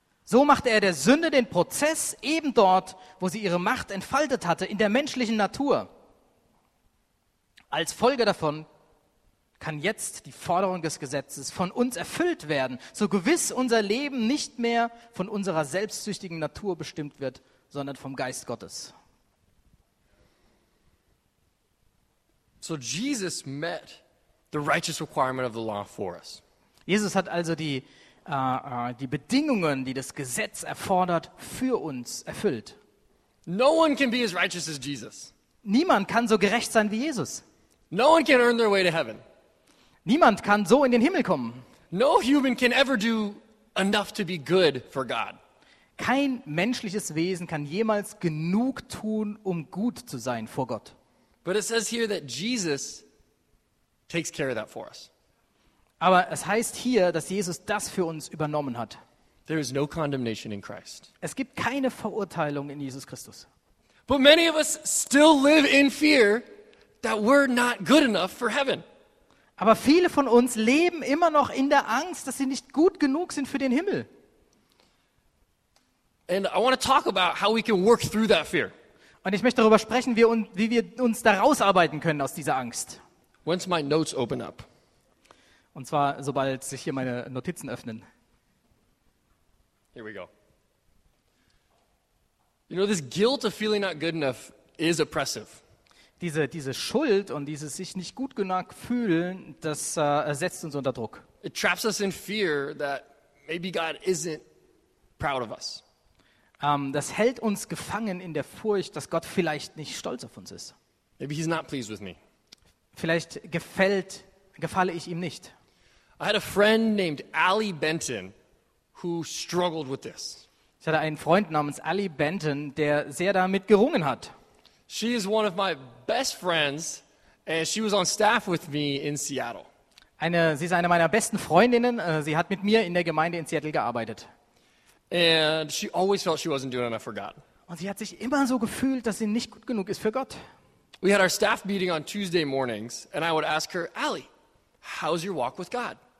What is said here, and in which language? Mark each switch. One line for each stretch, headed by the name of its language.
German: So machte er der Sünde den Prozess eben dort, wo sie ihre Macht entfaltet hatte, in der menschlichen Natur. Als Folge davon kann jetzt die Forderung des Gesetzes von uns erfüllt werden, so gewiss unser Leben nicht mehr von unserer selbstsüchtigen Natur bestimmt wird, sondern vom Geist Gottes.
English: So Jesus met the righteous requirement of the law for us.
German: Jesus hat also die Bedingungen, die das Gesetz erfordert, für uns erfüllt.
English: No one can be as righteous as Jesus.
German: Niemand kann so gerecht sein wie Jesus.
English: No one can earn their way to heaven.
German: Niemand kann so in den Himmel kommen.
English: No human can ever do enough to be good for God.
German: Kein menschliches Wesen kann jemals genug tun, um gut zu sein vor Gott.
English: But it says here that Jesus takes care of that for us.
German: Aber es heißt hier, dass Jesus das für uns übernommen hat.
English: There is no condemnation in Christ.
German: Es gibt keine Verurteilung in Jesus Christus.
English: But many of us still live in fear that we're not good enough for heaven.
German: Aber viele von uns leben immer noch in der Angst, dass sie nicht gut genug sind für den Himmel.
English: And I want to talk about how we can work through that fear.
German: Und ich möchte darüber sprechen, wie wir uns da rausarbeiten können aus dieser Angst.
English: Once my notes open up.
German: Und zwar, sobald sich hier meine Notizen öffnen.
English: Here we go. You know, this guilt of feeling not good enough is oppressive.
German: Diese Schuld und dieses sich nicht gut genug fühlen, das setzt uns unter Druck.
English: It traps us in fear that maybe God isn't proud of us.
German: Das hält uns gefangen in der Furcht, dass Gott vielleicht nicht stolz auf uns ist.
English: Maybe he's not pleased with me.
German: Vielleicht gefalle ich ihm nicht.
English: I had a friend named Ali Benton who struggled with this.
German: Ich hatte einen Freund namens Ali Benton, der sehr damit gerungen hat.
English: She is one of my best friends and she was on staff with me in Seattle.
German: Sie ist eine meiner besten Freundinnen, sie hat mit mir in der Gemeinde in Seattle gearbeitet.
English: And she always felt she wasn't doing enough for God.
German: Und sie hat sich immer so gefühlt, dass sie nicht gut genug ist für Gott.
English: We had our staff meeting on Tuesday mornings and I would ask her, "Ali, how's your walk with God?"